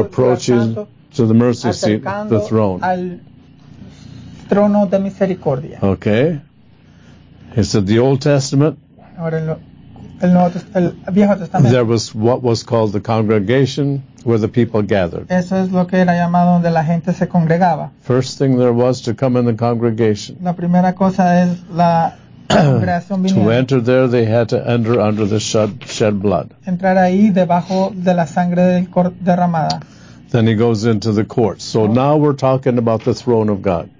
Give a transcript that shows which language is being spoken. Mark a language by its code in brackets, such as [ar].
[en] approaching to the mercy seat, the throne. [es] Al trono de misericordia. [en] Okay. He said the Old Testament. [es] Ahora el Viejo Testamento. [en] There was what was called the congregation, where the people gathered. [es] Eso es lo que era llamado donde la gente se congregaba. [en] First thing there was to come in the congregation. [es] La primera cosa es la congregación vinieron. [en] To enter there, they had to enter under the shed blood. [es] Entrar ahí debajo de la sangre derramada. [en] Then he goes into the court. So okay. Now we're talking about the throne of God.